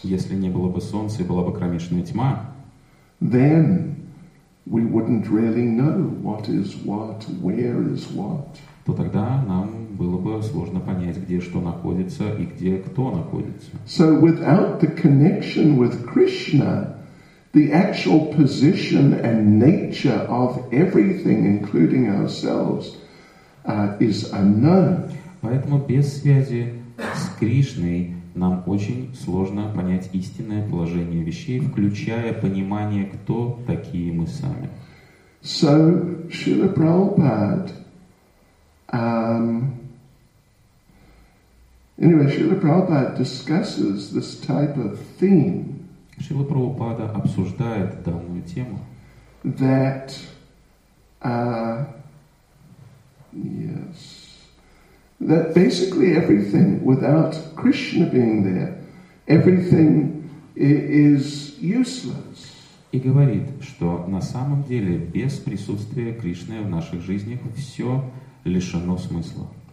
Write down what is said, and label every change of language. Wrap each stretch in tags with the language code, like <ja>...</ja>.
<ru>если не было бы солнца и была бы кромешная тьма,</ru> <en>then we wouldn't really know what is what, where is what.</en> <ru>То тогда нам было бы сложно понять, где что находится и где кто находится.</ru> <en>So without the connection with Krishna, the actual position and nature of everything, including ourselves, is unknown.</en> <ru>Поэтому без связи с Кришной нам очень сложно понять истинное положение вещей, включая понимание, кто такие мы сами.</ru> <en>So, Srila Prabhupada, anyway, Srila Prabhupada discusses this type of theme.</en> <ru>Шрила Прабхупада обсуждает данную тему.</ru> <en>That, yes, that basically everything, without Krishna being there, everything is useless.</en> <ru>И говорит, что на самом деле без присутствия Кришны в наших жизнях все лишено смысла.</ru>